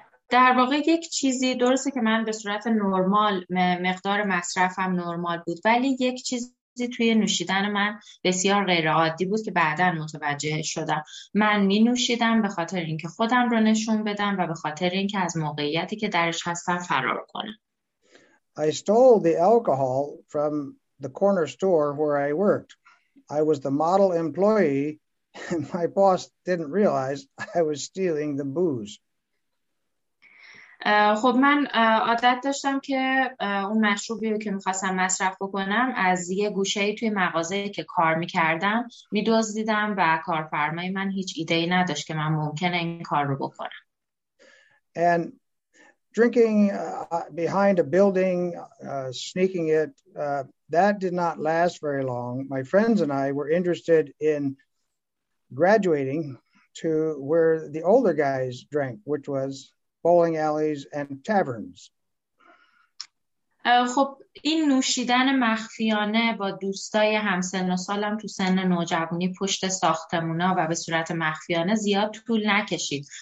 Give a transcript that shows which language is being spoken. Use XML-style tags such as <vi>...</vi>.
<fa>در واقع یک چیزی درسته که من به صورت نرمال مقدار مصرفم نرمال بود، ولی یک چیزی توی نوشیدن من بسیار غیرعادی بود که بعدا متوجه شدم. من می نوشیدم به خاطر اینکه خودم رو نشون بدم و به خاطر اینکه از موقعیتی که درش هستم فرار کنم.</fa> <en>I stole the alcohol from the corner store where I worked. I was the model employee. My boss didn't realize I was stealing the booze.</en> <fa>خب من عادت داشتم که اون مشروبی رو که میخواستم مصرف بکنم از یه گوشه توی مغازه که کار میکردم میدزدیدم و کارفرمای من هیچ ایده‌ای نداشت که من ممکنه این کار رو بکنم.</fa> <en>And drinking behind a building, sneaking it, that did not last very long. My friends and I were interested in graduating to where the older guys drank, which was bowling alleys and taverns.</en> <fa>خب این نوشیدن مخفیانه با دوستای همسن و سالم تو سن نوجوانی پشت ساختمونا و به صورت مخفیانه زیاد طول نکشید.</fa>